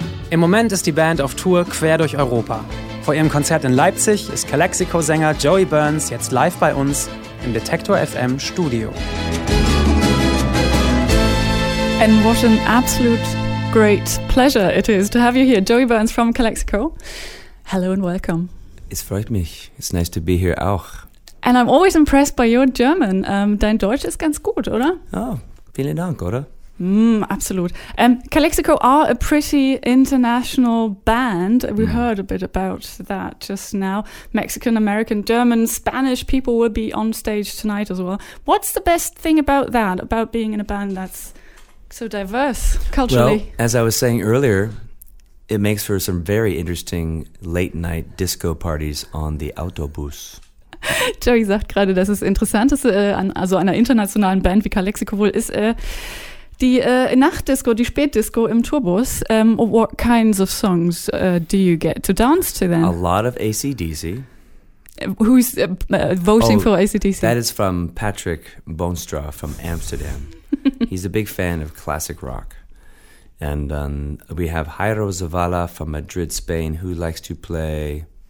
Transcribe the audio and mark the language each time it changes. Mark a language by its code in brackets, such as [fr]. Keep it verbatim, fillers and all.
[de] Im Moment ist die Band auf Tour quer durch Europa. Vor ihrem Konzert in Leipzig ist Calexico-Sänger Joey Burns jetzt live bei uns im Detektor F M Studio. [en] And what an absolute great pleasure it is to have you here, Joey Burns from Calexico. Hello and welcome. [de] Es freut mich. [en] It's nice to be here [de] auch. [en] And I'm always impressed by your German. Um, [de] dein Deutsch ist ganz gut, oder? Oh, vielen Dank, oder? [en] Mm, absolut. Um, Calexico are a pretty international band. We mm. heard a bit about that just now. Mexican, American, German, Spanish people will be on stage tonight as well. What's the best thing about that, about being in a band that's so diverse culturally? Well, as I was saying earlier, it makes for some very interesting late-night disco parties on the autobus. [de] Joey sagt gerade, dass es Interessanteste äh, an also einer internationalen Band wie Calexico wohl ist, äh, Die äh, Nachtdisco, die Spätdisco im Tourbus. [en] Um, what kinds of songs uh, do you get to dance to then? A lot of A C D C. Who's uh, uh, voting oh, for A C D C? That is from Patrick Boonstra from Amsterdam. He's a big fan of classic rock. And um, we have Jairo Zavala from Madrid, Spain, who likes to play...